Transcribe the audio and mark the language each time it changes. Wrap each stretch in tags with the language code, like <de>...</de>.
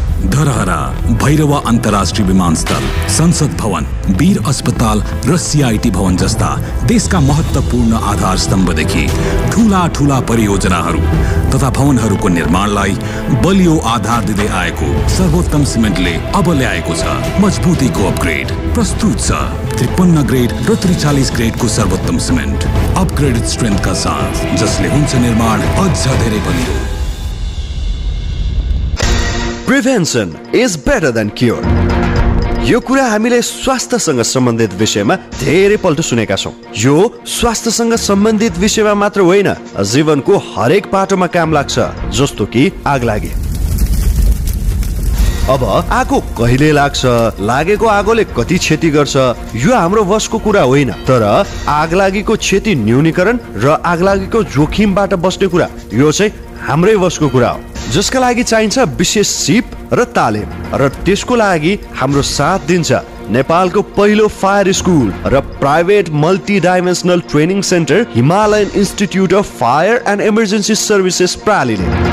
<ne>धरहरा भैरव अन्तर्राष्ट्रिय विमानस्थल, संसद भवन, वीर अस्पताल र सीआईटी भवन जस्ता देशका महत्त्वपूर्ण आधार स्तम्भदेखि ठूला ठूला परियोजनाहरू तथा भवनहरूको निर्माणलाई बलियो आधार दिँदै आएको सर्वोत्तम सिमेन्टले अब ल्याएको छ मजबुतीको अपग्रेड। प्रस्तुत छ 53 ग्रेड र 43 ग्रेडको सर्वोत्तम सिमेन्ट अपग्रेडेड स्ट्रेन्थका साथ, जसले हुन्छ निर्माण अझ धेरै बलियो।</ne> <en>Prevention is better than cure.</en> <ne>यो कुरा हामीले स्वास्थ्यसँग सम्बन्धित विषयमा धेरै पल्ट सुनेका छौँ। यो स्वास्थ्यसँग सम्बन्धित विषयमा मात्र होइन, जीवनको हरेक पाटोमा काम लाग्छ, जस्तो कि आग लागे। अब आगो कहिले लाग्छ, लागेको आगोले कति क्षति गर्छ, यो हाम्रो वशको कुरा होइन, तर आगलागीको क्षति न्यूनीकरण र आगलागीको जोखिमबाट बस्ने कुरा, यो चाहिँ हाम्रै वशको कुरा हो, जसका लागि चाहिन्छ विशेष सिप र तालिम, र त्यसको लागि हाम्रो साथ दिन्छ नेपालको पहिलो फायर स्कुल र private multi dimensional training centre Himalayan institute of fire and emergency services प्रालीले,</ne>